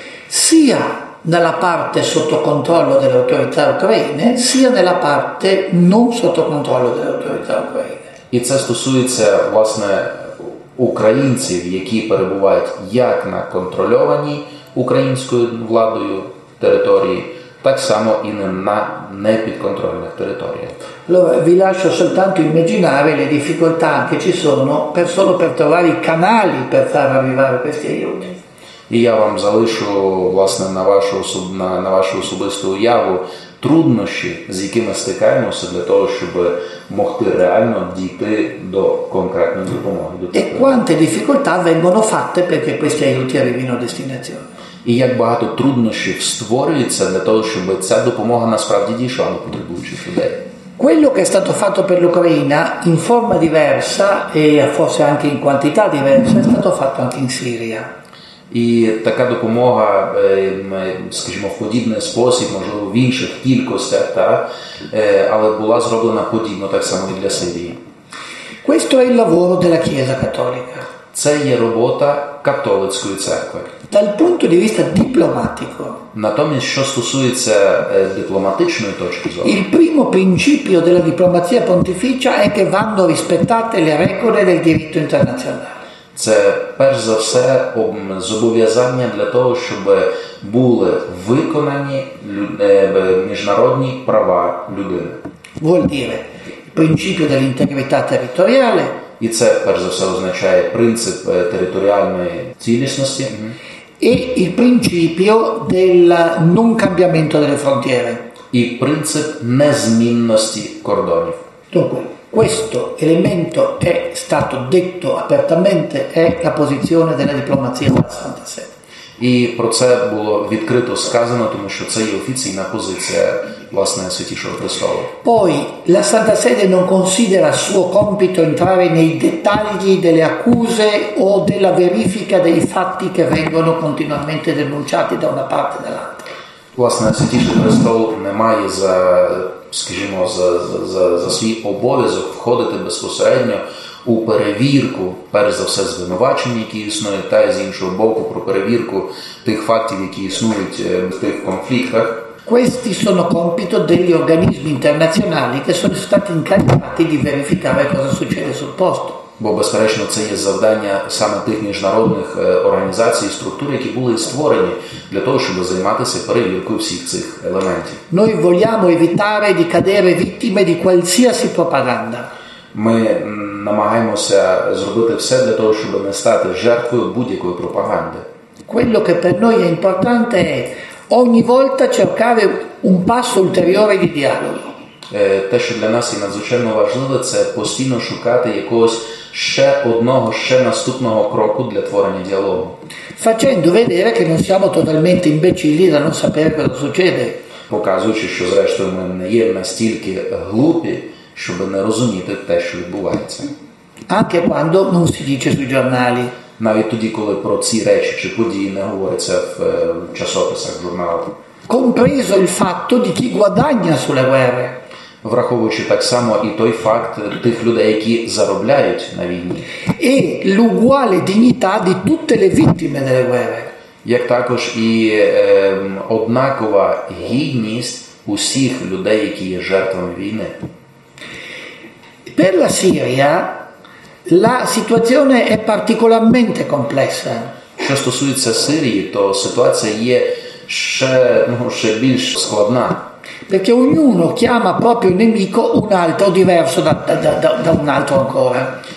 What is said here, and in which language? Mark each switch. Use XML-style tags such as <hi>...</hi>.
<it>Sia nella parte sotto controllo delle autorità ucraine, sia nella parte non sotto controllo delle autorità ucraine.</it> <uk>І це стосується, власне, українців, які перебувають як на контрольованій українською владою території, так само і на непідконтрольних територіях.</uk> <it>Allora, vi lascio soltanto immaginare le difficoltà che ci sono per solo per trovare i canali per far arrivare questi aiuti.</it> <uk>І я вам залишу, власне, на вашу особисту уяву труднощі, з якими стикаємося для того, щоб могти реально дійти до конкретної допомоги.</uk> <it>E quante difficoltà vengono fatte perché questi aiuti arrivino a destinazione.</it> <uk>І як багато труднощів створюється для того, щоб ця допомога насправді дійшла до потребуючих людей.</uk> <it>Quello che è stato fatto per l'Ucraina in forma diversa e forse anche in quantità diversa è stato fatto anche in Siria.</it> <uk>І така допомога, скажімо, в подібний спосіб, можливо, в інших кількостях, та, але була зроблена подібно так само і для Сирії.</uk> <it>Questo è il lavoro della Chiesa Cattolica.</it> <uk>Це є робота католицької церкви.</uk> <it>Dal punto di vista diplomatico.</it> <uk>Натомість, що стосується дипломатичної точки зору.</uk> <it>Il primo principio della diplomazia pontificia è che vanno rispettate le regole del diritto internazionale.</it> <uk>Це перш за все зобов'язання для того, щоб були виконані міжнародні права людини.</uk> <it>Vuol dire principio dell'integrità territoriale.</it> <uk>І це перш за все означає принцип територіальної цілісності.</uk> <it>E il principio del non cambiamento delle frontiere.</it> <uk>І принцип незмінності кордонів.</uk> <it>Dunque. Questo elemento è stato detto apertamente, è la posizione della diplomazia della Santa Sede.</it> <uk>І про це було відкрито сказано, тому що це є офіційна позиція, власне, Святішого Престолу.</uk> <it>Poi, la Santa Sede non considera suo compito entrare nei dettagli delle accuse o della verifica dei fatti che vengono continuamente denunciati da una parte e dall'altra.</it> <uk>Власне, Святіший Престол не має за... скажімо, за свій обов'язок входити безпосередньо у перевірку, перш за все, звинувачень, які існують, та й з іншого боку, про перевірку тих фактів, які існують в тих конфліктах.</uk> <it>Questi sono compito degli organismi internazionali che sono stati incaricati di verificare cosa succede sul posto.</it> <uk>Бо, безперечно, це є завдання саме тих міжнародних організацій і структур, які були створені для того, щоб займатися перевіркою всіх цих елементів.</uk> <it>Noi vogliamo evitare di cadere vittime di qualsiasi propaganda.</it> <uk>Ми намагаємося зробити все для того, щоб не стати жертвою будь-якої пропаганди.</uk> <it>Quello che per noi è importante è ogni volta cercare un passo ulteriore di dialogo.</it> <uk>Те, що для нас і надзвичайно важливо, це постійно шукати якогось ще одного, ще наступного кроку для творення діалогу.</uk> <it>Facendo vedere che non siamo totalmente imbecilli da non sapere cosa succede.</it> <uk>Показуючи, що зрештою ми не є настільки глупі, щоб не розуміти те, що відбувається.</uk> <it>Anche quando non si dice sui giornali.</it> <uk>Навіть тоді, коли про ці речі чи події не говориться в часописах, журналах.</uk> <it>Compreso il fatto di chi guadagna sulle guerre.</it> <uk>Враховуючи так само і той факт тих людей, які заробляють на війні.</uk> <it>E l'uguale dignità di tutte le vittime delle guerre.</it> <uk>Як також і однакова гідність усіх людей, які є жертвами війни.</uk> <it>Per la Siria la situazione è particolarmente complessa.</it> <uk>Що стосується Сирії, то ситуація є ще більш складна.</uk> <it>Perché ognuno chiama proprio nemico un altro diverso da un altro ancora.</it>